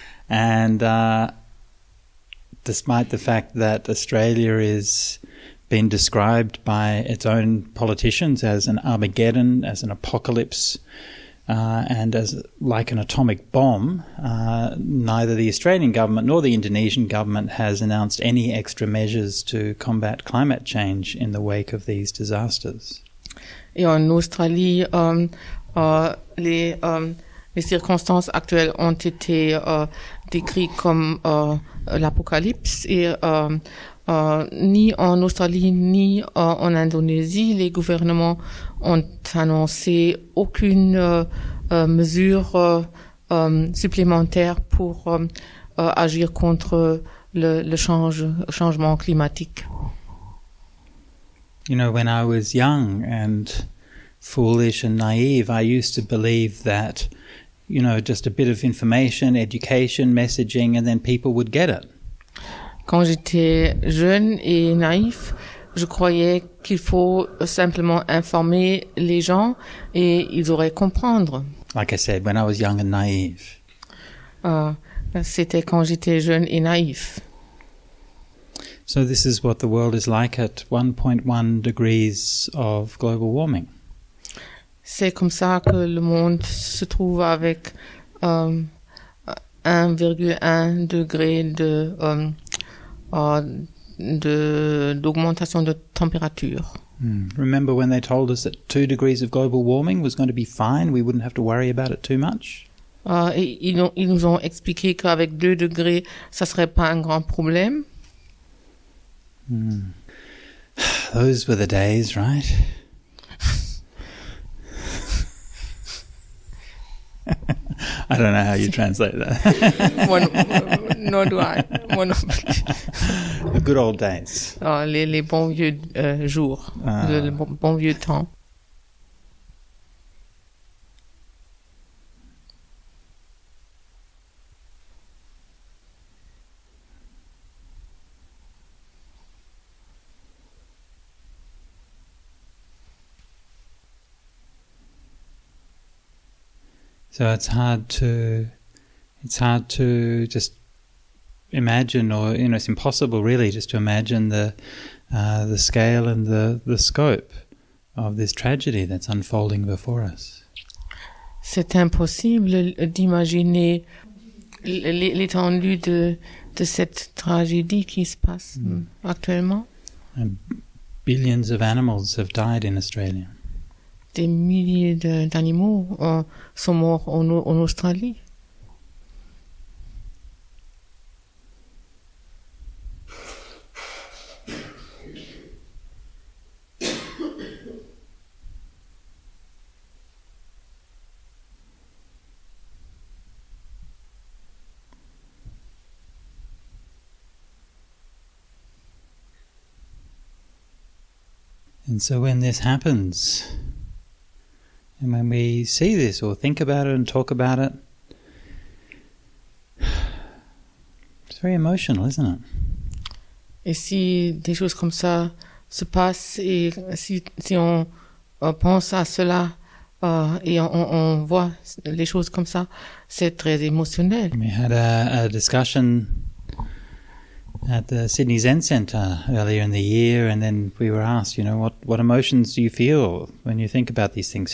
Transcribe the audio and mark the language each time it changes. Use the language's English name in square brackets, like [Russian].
[English] And despite the fact that Australia is being described by its own politicians as an Armageddon, as an apocalypse, and as like an atomic bomb, neither the Australian government nor the Indonesian government has announced any extra measures to combat climate change in the wake of these disasters. [French] Et en Australie, les circonstances actuelles ont été décrites comme l'apocalypse et ni en Australie ni en Indonésie, les gouvernements ont annoncé aucune mesure supplémentaire pour agir contre le changement climatique. [English] You know, when I was young and foolish and naive, I used to believe that, you know, just a bit of information, education, messaging, and then people would get it. [French] Quand j'étais jeune et naïf, je croyais qu'il faut simplement informer les gens et ils auraient comprendre. [English] Like I said, when I was young and naive. [French] C'était quand j'étais jeune et naïf. [English] So this is what the world is like at 1.1 degrees of global warming. [French] C'est comme ça que le monde se trouve avec 1,1 degré d'augmentation de température. [English] Remember when they told us that 2 degrees of global warming was going to be fine, we wouldn't have to worry about it too much? [French] Ils nous ont expliqué qu'avec 2 degrés, ça serait pas un grand problème. [English] Those were the days, right? I don't know how you translate that. Nor do I. The good old days. [French] Les bons vieux jours. Le bon vieux temps. [English] So it's hard to just imagine, or you know, it's impossible really just to imagine the scale and the scope of this tragedy that's unfolding before us. [French] C'est impossible d'imaginer l'étendue de cette tragédie qui se passe actuellement. [English] And billions of animals have died in Australia. [French] Des milliers d'animaux sont morts en Australie. [English] And so when this happens, and when we see this or think about it and talk about it, it's very emotional, isn't it? [French] Et si des choses comme ça se passent et si on pense à cela et on voit les choses comme ça, c'est très émotionnel. [English] We had a discussion at the Sydney Zen Center earlier in the year, and then we were asked, you know, what emotions do you feel when you think about these things?